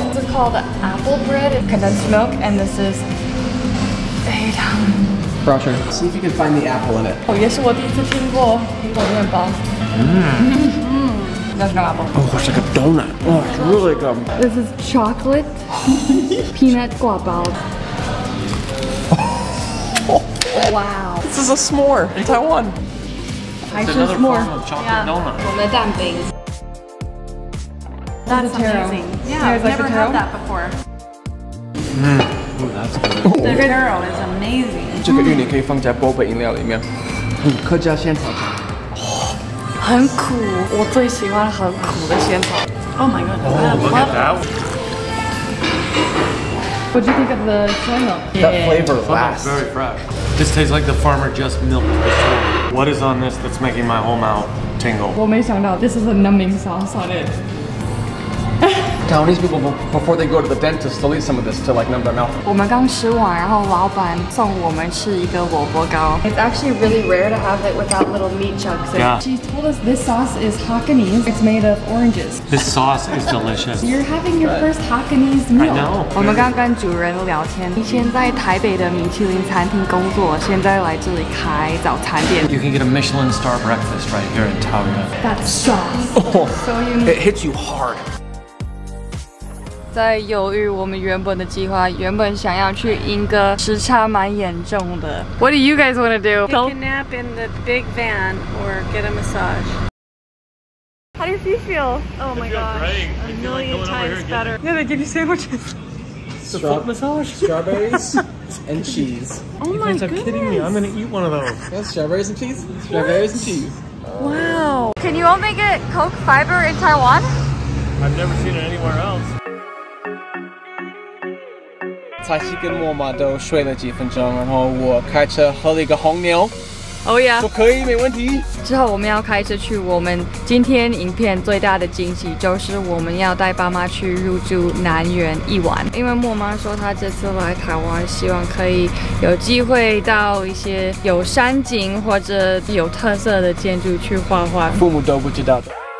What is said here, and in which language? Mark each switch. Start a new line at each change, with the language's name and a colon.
English: It's called apple bread, condensed milk, and this is Adam. Brusher. See if you can find the apple in it.
Chinese: 也是我第一次听过苹果面包。
English: That's an apple. Oh, it's like a donut. Oh, it's really good. This is chocolate peanut guabao. Wow. This is a s'more in Taiwan. It's another form of chocolate donut. That's amazing. Yeah, I've never had that before. Oh, that's good. The taro is amazing. This taro can be put in the bubble tea.
Chinese: Oh, 客家仙草茶。很苦，我最喜欢很苦的仙草。
English: Oh my god! Oh, look at that. What do you think of the soy milk? That flavor lasts. Very fresh. This tastes like the farmer just milked the soy. What is on this that's making my whole mouth tingle?
Chinese: 我没想到
English: this is a numbing sauce on it. Taiwanese people, before they go to the dentist, they'll eat some of this to like numb their mouth.
Chinese: 我们刚吃完，然后老板送我们吃一个萝卜糕。
English: It's actually really rare to have it without little meat chunks. Yeah. She told us this sauce is Hakanese. It's made of oranges. This sauce is delicious. You're having your first Hakanese meal. I know.
Chinese: 我们刚跟主人聊天。以前在台北的米其林餐厅工作，现在来这里开早餐店。
English: You can get a Michelin star breakfast right here in Taiwan. That sauce. Oh. So unique. It hits you hard.
Chinese: 在犹豫我们原本的计划，原本想要去英歌，时差蛮严重的。
English: What do you guys want to do? Take a nap in the big van or get a massage. How does he feel? Oh my gosh, a million times better. Yeah, they give you sandwiches. Massage. Strawberries and cheese. Oh my goodness. You guys are kidding me. I'm gonna eat one of those. Yes, strawberries and cheese. Strawberries and cheese. Wow. Can you all make it Coke fiber in Taiwan? I've never seen it anywhere else.
Chinese: 彩希跟默默都睡了几分钟，然后我开车喝了一个红牛，
English: Oh yeah.
Chinese: 都可以，没问题。之后我们要开车去我们今天影片最大的惊喜，就是我们要带爸妈去入住南园一玩。因为默妈说她这次来台湾，希望可以有机会到一些有山景或者有特色的建筑去画画。父母都不知道的。